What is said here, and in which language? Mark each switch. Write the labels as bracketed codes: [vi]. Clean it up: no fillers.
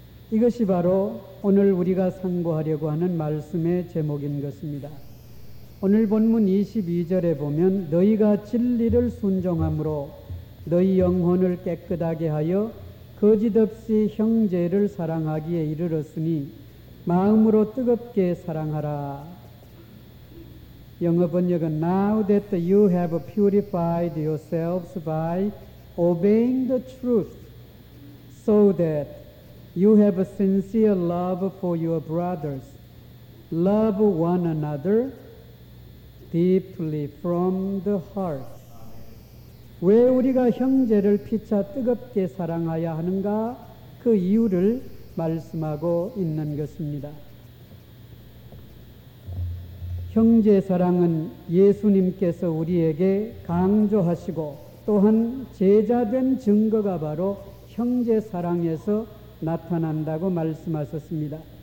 [ko] 이것이 바로 오늘 우리가 상고하려고 하는 말씀의 제목인 것입니다. 오늘 본문 22절에 보면 너희가 진리를 순종함으로 너희 영혼을 깨끗하게 하여 거짓없이 형제를 사랑하기에 이르렀으니 마음으로 뜨겁게 사랑하라. 영어 번역은 [en] Now that you have purified yourselves by obeying the truth, so that you have a sincere love for your brothers, love one another deeply from the heart. [ko] 왜 우리가 형제를 피차 뜨겁게 사랑해야 하는가? 그 이유를 말씀하고 있는 것입니다. 형제 사랑은 예수님께서 우리에게 강조하시고 또한 제자된 증거가 바로 형제 사랑에서 나타난다고 말씀하셨습니다.